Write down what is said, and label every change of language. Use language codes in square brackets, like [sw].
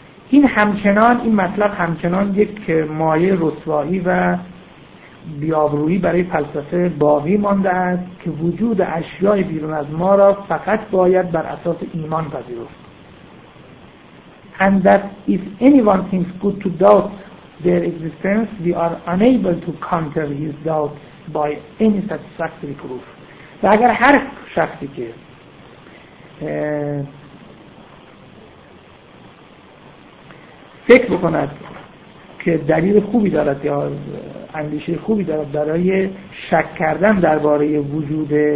[fa] این همچنان این مطلب همچنان یک مایه رسوایی و بیابرویی برای فلسفه باقی مانده است که وجود اشیای بیرون از ما را فقط باید بر اساس ایمان پذیرفت. [en] And that if anyone thinks good to doubt their existence, we are unable to counter his doubt by any satisfactory proof. [fa] و اگر هر شخصی که فکر بکند که دلیل خوبی دارد یا اندیشه خوبی دارد برای شک کردن درباره وجود